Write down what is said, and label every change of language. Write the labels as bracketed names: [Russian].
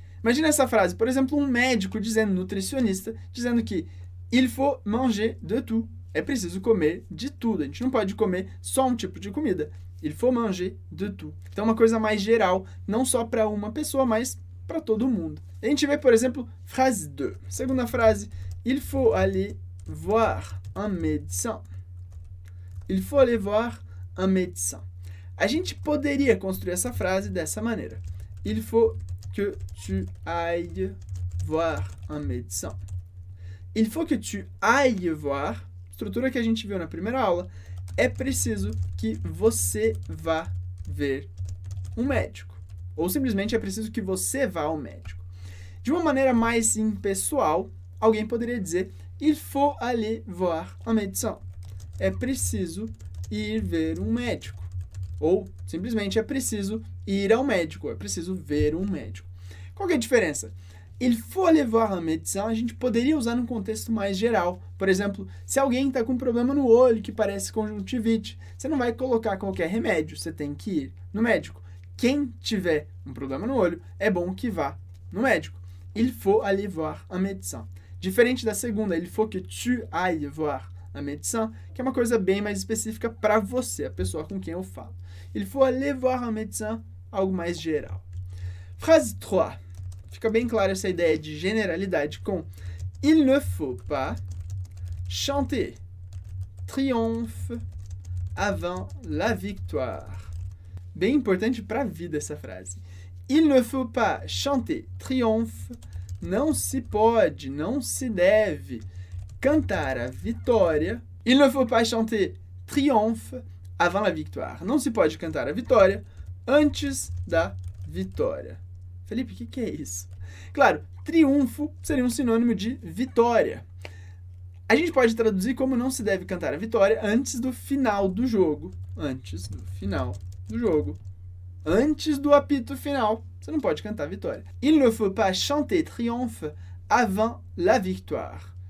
[Portuguese] Imagina essa frase, por exemplo, um médico dizendo, nutricionista, dizendo que [French] il faut manger de tout. [Portuguese] É preciso comer de tudo. A gente não pode comer só um tipo de comida. [French] Il faut manger de tout. [Portuguese] Então, uma coisa mais geral, não só para uma pessoa, mas para todo mundo. A gente vê, por exemplo, frase 2. Segunda frase, [French] il faut aller voir un médecin. Il faut aller voir un médecin. [Portuguese] A gente poderia construir essa frase dessa maneira. [French] Il faut que tu ailles voir un médecin. Il faut que tu ailles voir, [Portuguese] estrutura que a gente viu na primeira aula, é preciso que você vá ver um médico. Ou simplesmente é preciso que você vá ao médico. De uma maneira mais impessoal, alguém poderia dizer [French] il faut aller voir un médecin. [Portuguese] É preciso ir ver um médico. Ou, simplesmente, é preciso ir ao médico, é preciso ver um médico. Qual que é a diferença? [French] Il faut aller voir un médecin, [Portuguese] a gente poderia usar num contexto mais geral. Por exemplo, se alguém está com um problema no olho que parece conjuntivite, você não vai colocar qualquer remédio, você tem que ir no médico. Quem tiver um problema no olho, é bom que vá no médico. [French] Il faut aller voir un médecin. [Portuguese] Diferente da segunda, [French] il faut que tu ailles voir a médecin, [Portuguese] que é uma coisa bem mais específica para você, a pessoa com quem eu falo. [French] Il faut aller voir un médecin, [Portuguese] algo mais geral. Frase 3. Fica bem clara essa ideia de generalidade com [French] il ne faut pas chanter triomphe avant la victoire. [Portuguese] Bem importante para a vida essa frase. [French] Il ne faut pas chanter triomphe. [Portuguese] Não se pode, não se deve cantar a vitória. [French] Il ne faut pas chanter triomphe avant la victoire. [Portuguese] Não se pode cantar a vitória antes da vitória. Felipe, o que, que é isso? Claro, triunfo seria um sinônimo de vitória. A gente pode traduzir como não se deve cantar a vitória antes do final do jogo. Antes do final do jogo. Antes do apito final. Você não pode cantar a vitória. [French] Il ne faut pas chanter triomphe avant la victoire.